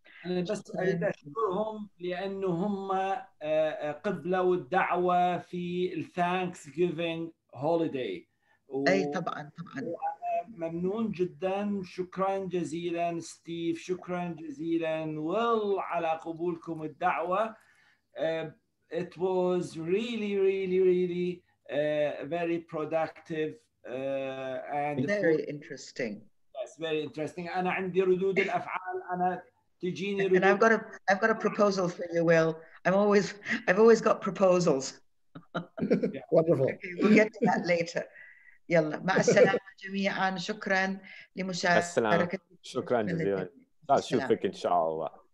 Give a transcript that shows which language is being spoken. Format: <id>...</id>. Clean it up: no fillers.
<ar>أنا بس أريد أشكرهم لأنه هم قبلوا الدعوة في</ar> <en>Thanksgiving holiday.</en> <ar>اي طبعا ممنون جدا. شكرا جزيلا ستيف, شكرا جزيلا ويل على قبولكم الدعوة.</ar> <en>It was really really really very productive and very interesting. Yes, very interesting.</en> <ar>انا عندي ردود الافعال, انا تجيني ردود.</ar> <en>And I've got a proposal for you, Will. I've always got proposals. Wonderful. Okay, we'll get to that later.</en> <ar>يلا مع السلامة جميعاً. شكراً لمشاركتك. السلام. شكراً جزيلاً. لا شوفك إن شاء الله.</ar>